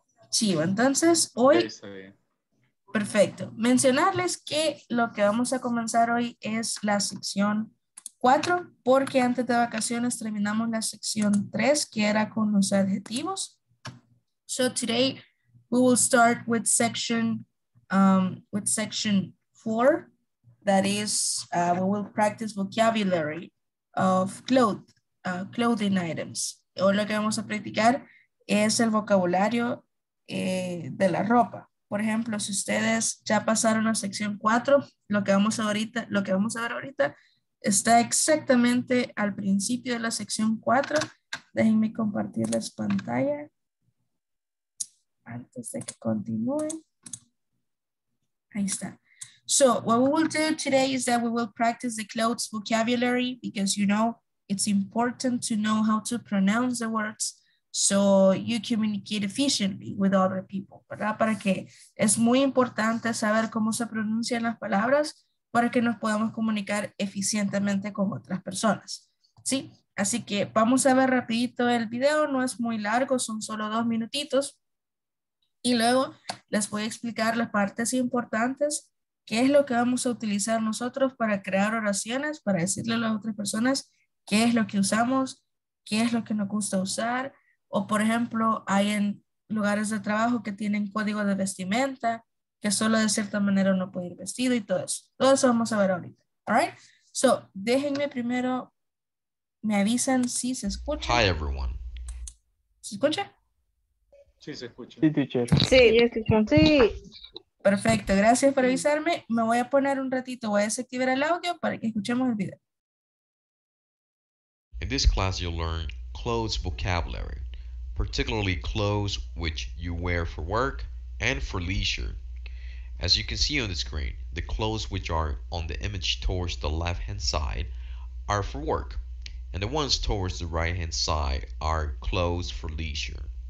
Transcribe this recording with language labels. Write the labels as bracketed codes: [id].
[es] Chivo, entonces hoy, perfecto, mencionarles que lo que vamos a comenzar hoy es la sección 4, porque antes de vacaciones terminamos la sección 3, que era con los adjetivos. [en] So today we will start with section 4, that is, we will practice vocabulary of clothing items. [es] Hoy lo que vamos a practicar es el vocabulario de la ropa. Por ejemplo, si ustedes ya pasaron a sección 4, lo que vamos a ver ahorita está exactamente al principio de la sección 4. Déjenme compartirles pantalla antes de que continúen. Ahí está. [en] So, what we will do today is that we will practice the clothes vocabulary, because you know it's important to know how to pronounce the words so you communicate efficiently with other people, [es] ¿verdad? Para que es muy importante saber cómo se pronuncian las palabras para que nos podamos comunicar eficientemente con otras personas, ¿sí? Así que vamos a ver rapidito el video, no es muy largo, son solo 2 minutitos. Y luego les voy a explicar las partes importantes, qué es lo que vamos a utilizar nosotros para crear oraciones, para decirle a las otras personas qué es lo que usamos, qué es lo que nos gusta usar. O, por ejemplo, hay en lugares de trabajo que tienen código de vestimenta, que solo de cierta manera uno puede ir vestido y todo eso. Todo eso vamos a ver ahorita. [en] All right? [es] So, déjenme primero, me avisan si se escucha. [en] Hi, everyone. [es] ¿Se escucha? Sí, se escucha. Sí, teacher. Sí, sí. Perfecto, gracias por avisarme. Me voy a poner un ratito, voy a desactivar el audio para que escuchemos el video. [en] In this class, you'll learn clothes vocabulary, particularly clothes which you wear for work and for leisure. As you can see on the screen, the clothes which are on the image towards the left-hand side are for work, and the ones towards the right-hand side are clothes for leisure.